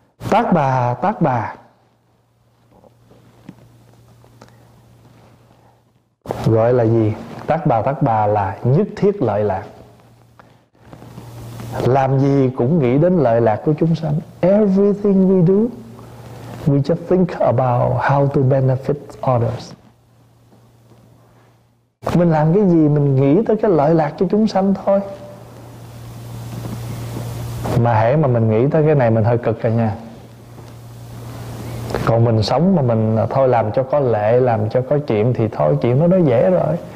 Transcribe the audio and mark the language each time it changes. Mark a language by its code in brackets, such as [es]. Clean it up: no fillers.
[vi] Tát Bà, Tát Bà, gọi là gì? Tát Bà, Tát Bà là nhất thiết lợi lạc. Làm gì cũng nghĩ đến lợi lạc của chúng sanh. [en] Everything we do, we just think about how to benefit others. [vi] Mình làm cái gì mình nghĩ tới cái lợi lạc cho chúng sanh thôi. Mà hễ mà mình nghĩ tới cái này mình hơi cực rồi nha. Còn mình sống mà mình thôi làm cho có lệ, làm cho có chuyện thì thôi, chuyện nó dễ rồi.